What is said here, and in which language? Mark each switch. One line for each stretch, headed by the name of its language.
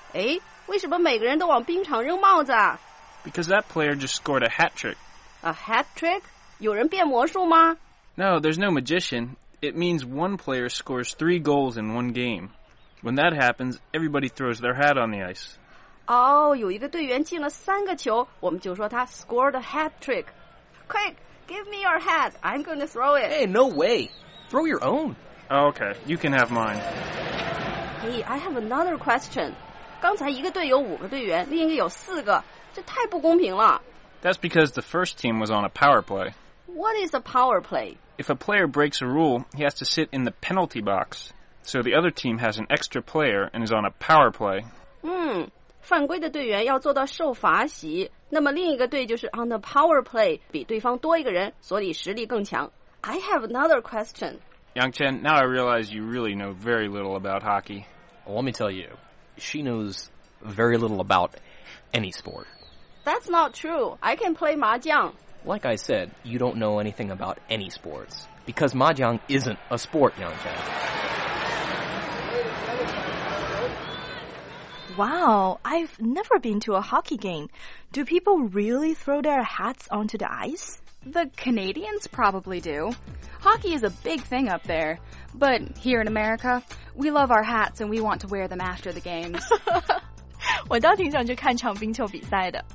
Chinese: 诶，为什么每个人都往冰场扔帽子啊？
English: Because that player just scored a hat trick.
Chinese: A hat trick? 有人变魔术吗？
English: No, there's no magician. It means one player scores 3 goals in one game. When that happens, everybody throws their hat on the ice. Oh,
Chinese: 有一个队员进了三个球，我们就说他
English: scored a hat trick. Quick! Give me your hat. I'm going to throw it. Hey, no way. Throw your own. Okay, you can have mine. Hey, I have another question.
Chinese: 刚才一个队有五个队员，另一个有四个，这太不公平了。
English: That's because the first team was on a power play. What is a power play? If a player breaks a rule, he has to sit in the penalty box. So the other team has an extra player and is on a power play.
Chinese: 犯规的队员要坐到受罚席，那么另一个队就是 on the power play， 比对方多一个人，所以实力更强。
English: I have another question. Yangchen, now I realize you really know very little about hockey. Well, let me tell you, she knows very little about any sport. That's not true. I can play mahjong. Like I said, you don't know anything about any sports. Because mahjong isn't a sport, Yangchen. Wow, I've never been to a hockey game. Do people really throw their hats onto the ice? The Canadians probably do. Hockey is a big thing up there. But here in America, we love our hats and we want to wear them after the games.
Chinese: 我倒挺想去看场冰球比赛的。